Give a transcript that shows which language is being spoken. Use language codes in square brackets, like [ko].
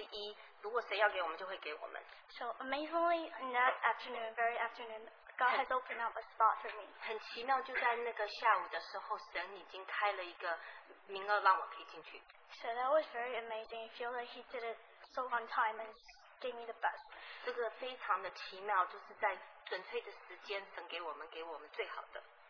[zh] 我妈妈非常的乐观，她是说，就算机会只有1%，如果谁要给我们，就会给我们。So [en] amazingly, in that afternoon, very afternoon. God has opened up a spot for me. [zh] 很奇妙，就在那个下午的时候，神已经开了一个名额让我可以进去。 [en] So that was very amazing. I feel like He did it so on time and gave me the best. [zh] 这个非常的奇妙，就是在准确的时间，神给我们最好的。